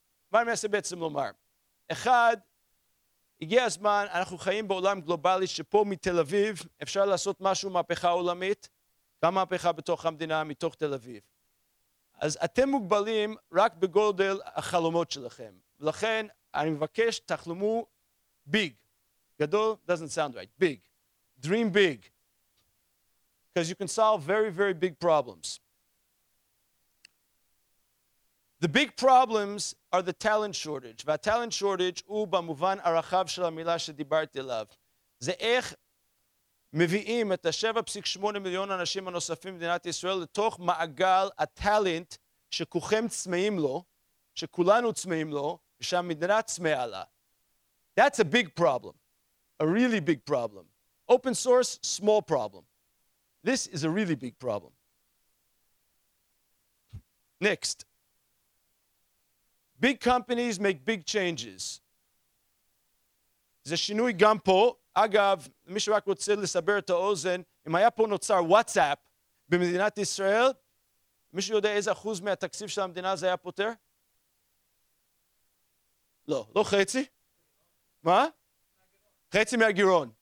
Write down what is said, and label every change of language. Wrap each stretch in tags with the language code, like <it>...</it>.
<he>מה אני מנסה בעצם לומר? אחד, הגיע הזמן, אנחנו חיים בעולם גלובלי שפה מתל אביב אפשר לעשות משהו, מהפכה עולמית, גם מהפכה בתוך המדינה, מתוך תל אביב. אז אתם מוגבלים רק בגודל החלומות שלכם. ולכן אני מבקש, תחלמו big.</he> <en>גדול doesn't sound right. Big. Dream big. Because you can solve very, very big problems. The big problems are the talent shortage.</en> <he>והטלנט שורטג' הוא במובן הרחב של המילה שדיברתי עליו. זה איך מביאים את ה-7.8 מיליון אנשים הנוספים במדינת ישראל לתוך מעגל הטלנט שכולכם צמאים לו, שכולנו צמאים לו, ושהמדינה צמאה לה.</he> <en>That's a big problem. A really big problem. Open source, small problem. This is a really big problem. Next. Big companies make big changes.</en> <he>זה שינוי גם פה. אגב, מי שרק רוצה לסבר את האוזן, אם היה פה נוצר וואטסאפ במדינת ישראל, מי שיודע איזה אחוז מהתקציב של המדינה זה היה פותר? לא, לא חצי. מה? חצי מהגירון.</he>